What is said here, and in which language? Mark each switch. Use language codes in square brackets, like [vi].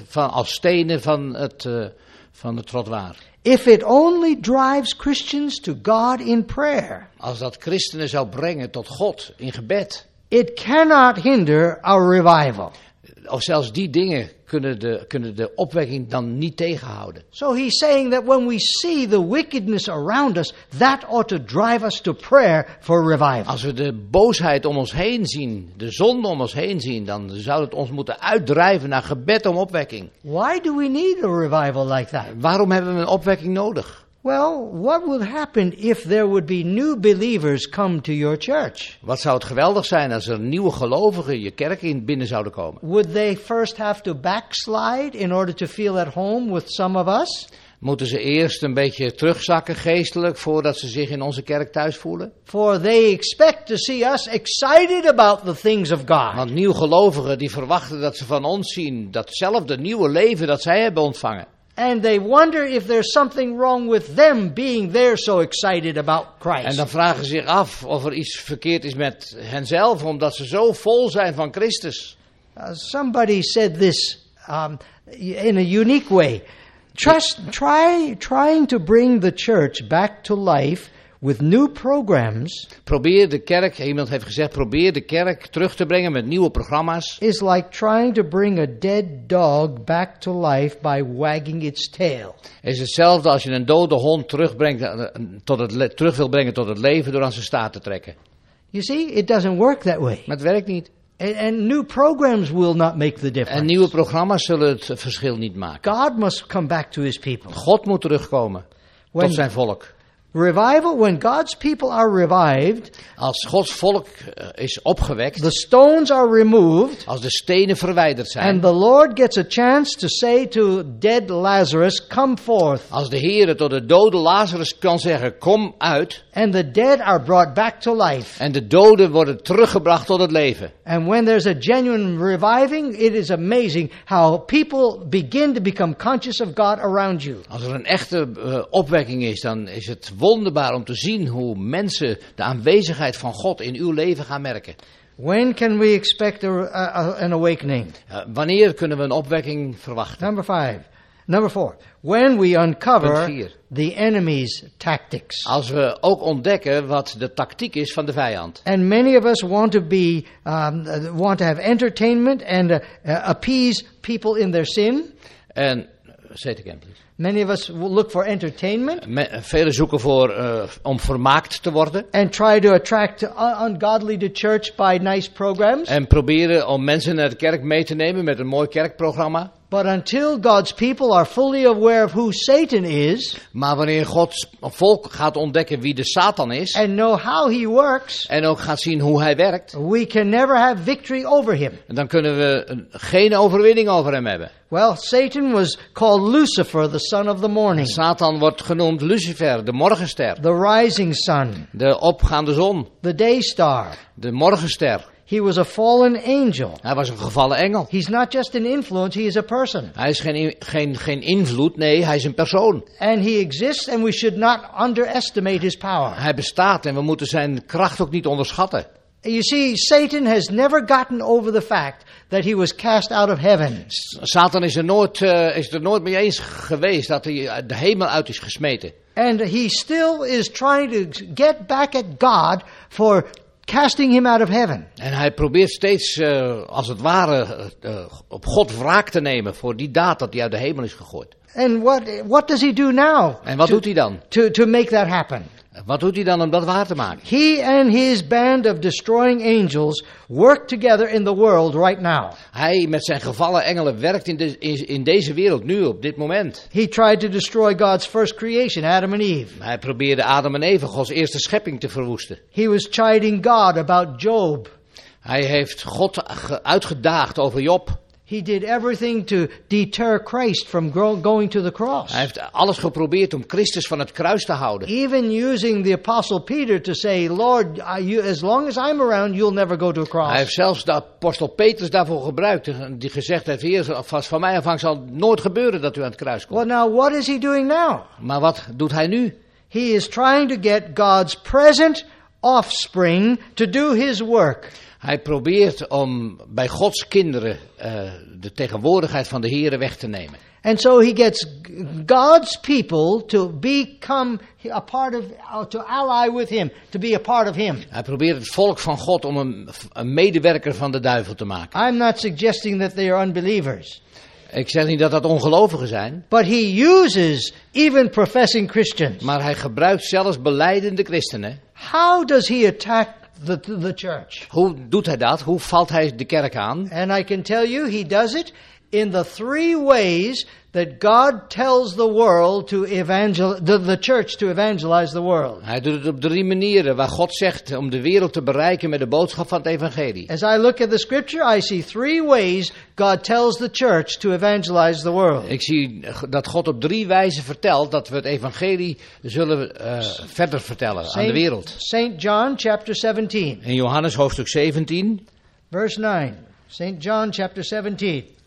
[nl] Als stenen van het trottoir. [en] If it only drives Christians to God in prayer. [nl] Als dat christenen zou brengen tot God in gebed. [en] It cannot hinder our revival. [nl] Of zelfs die dingen kunnen de opwekking dan niet tegenhouden. [en] So he's saying that when we see the wickedness around us, that ought to drive us to prayer for revival. [nl] Als we de boosheid om ons heen zien, de zonde om ons heen zien, dan zou het ons moeten uitdrijven naar gebed om opwekking. [en] Why do we need a revival like that? [nl] Waarom hebben we een opwekking nodig? [en] Well, what would happen if there would be new believers come to your church? [nl] Wat zou het geweldig zijn als er nieuwe gelovigen je kerk in binnen zouden komen? [en] Would they first have to backslide in order to feel at home with some of us? [nl] Moeten ze eerst een beetje terugzakken geestelijk voordat ze zich in onze kerk thuis voelen? [en] For they expect to see us excited about the things of God. [nl] Want nieuwe gelovigen die verwachten dat ze van ons zien datzelfde nieuwe leven dat zij hebben ontvangen. [en] And they wonder if there's something wrong with them being there so excited about Christ. [nl] En dan vragen ze zich af of er iets verkeerd is met henzelf omdat ze zo vol zijn van Christus. [en] Somebody said this in a unique way. Trying to bring the church back to life with new programs. [nl] Probeer de kerk, iemand heeft gezegd, probeer de kerk terug te brengen met nieuwe programma's. [en] Is like trying to bring a dead dog back to life by wagging its tail. [nl] Is hetzelfde als je een dode hond terug wil brengen tot het leven door aan zijn staart te trekken. [en] You see, it doesn't work that way. [nl] Maar het werkt niet. [en] And new programs will not make the difference. [nl] En nieuwe programma's zullen het verschil niet maken. [en] God must come back to his people. [nl] God moet terugkomen tot zijn volk. [en] Revival, when God's people are revived, [nl] als Gods volk is opgewekt, [en] the stones are removed, [nl] als de stenen verwijderd zijn, [en] and the Lord gets a chance to say to dead Lazarus, come forth. [nl] Als de Heere tot de dode Lazarus kan zeggen, kom uit, [en] and the dead are brought back to life. [nl] En de doden worden teruggebracht tot het leven. [en] And when there's a genuine reviving, it is amazing how people begin to become conscious of God around you. [nl] Als er een echte opwekking is, dan is het wonderbaar om te zien hoe mensen de aanwezigheid van God in uw leven gaan merken. [en] When can we expect an awakening? [nl] Wanneer kunnen we een opwekking verwachten? [en] Number 5. Number 4. When we uncover the enemy's tactics. [nl] Als we ook ontdekken wat de tactiek is van de vijand. [en] And many of us want to be want to have entertainment and appease people in their sin. En say it again, please. Many of us look for entertainment. [nl] Velen zoeken voor om vermaakt te worden. [en] And try to attract ungodly to church by nice programs. [nl] En proberen om mensen naar de kerk mee te nemen met een mooi kerkprogramma. [en] But until God's people are fully aware of who Satan is, [nl] maar wanneer Gods volk gaat ontdekken wie de Satan is, [en] and know how he works, [nl] en ook gaat zien hoe hij werkt, [en] we can never have victory over him. [nl] En dan kunnen we geen overwinning over hem hebben. [en] Well, Satan was called Lucifer, the son of the morning. [nl] Satan wordt genoemd Lucifer, de morgenster. [en] The rising sun. [nl] De opgaande zon. [en] The day star. [nl] De morgenster. [en] He was a fallen angel. [nl] Hij was een gevallen engel. [en] He's not just an influence, he is a person. [nl] Hij is geen invloed, nee, hij is een persoon. [en] And he exists and we should not underestimate his power. [nl] Hij bestaat en we moeten zijn kracht ook niet onderschatten. [en] You see, Satan has never gotten over the fact that he was cast out of heaven. [nl] Satan is er nooit mee eens geweest dat hij de hemel uit is gesmeten. [en] And he still is trying to get back at God for casting him out of heaven. [nl] En hij probeert steeds als het ware op God wraak te nemen voor die daad dat hij uit de hemel is gegooid. [en] And what does he do now? [nl] En wat doet hij dan? [en] To make that happen. [nl] Wat doet hij dan om dat waar te maken? [en] He and his band of destroying angels work together in the world right now. [nl] Hij met zijn gevallen engelen werkt in deze wereld nu op dit moment. [en] He tried to destroy God's first creation, Adam and Eve. [nl] Hij probeerde Adam en Eva, Gods eerste schepping, te verwoesten. [en] He was chiding God about Job. [nl] Hij heeft God uitgedaagd over Job. [en] He did everything to deter Christ from going to the cross. [nl] Hij heeft alles geprobeerd om Christus van het kruis te houden. [en] Even using the apostle Peter to say, Lord, as long as I'm around, you'll never go to a cross. [nl] Hij heeft zelfs de apostel Petrus daarvoor gebruikt, die gezegd heeft, Heer, vast van mij af aan zal nooit gebeuren dat u aan het kruis komt. [en] Well, now what is he doing now? [nl] Maar wat doet hij nu? [en] He is trying to get God's present offspring to do his work. [nl] Hij probeert om bij Gods kinderen de tegenwoordigheid van de Heere weg te nemen. [en] And so he gets God's people to become a part of, to ally with him, to be a part of him. [nl] Hij probeert het volk van God om een medewerker van de duivel te maken. [en] I'm not suggesting that they are unbelievers. [nl] Ik zeg niet dat dat ongelovigen zijn. [en] But he uses even professing Christians. [nl] Maar hij gebruikt zelfs belijdende christenen. [en] How does he attack the church? [nl] Hoe doet hij dat? Hoe valt hij de kerk aan? [en] And I can tell you, he does it in the three ways that God tells the world to the church to evangelize the world. [nl] Hij doet het op drie manieren waar God zegt om de wereld te bereiken met de boodschap van het evangelie. [en] As I look at the scripture, I see three ways God tells the church to evangelize the world. [nl] Ik zie dat God op drie wijzen vertelt dat we het evangelie zullen verder vertellen aan de wereld. [en] Saint John chapter 17. [nl] In Johannes hoofdstuk 17. [en] Verse 9. Saint John chapter 17.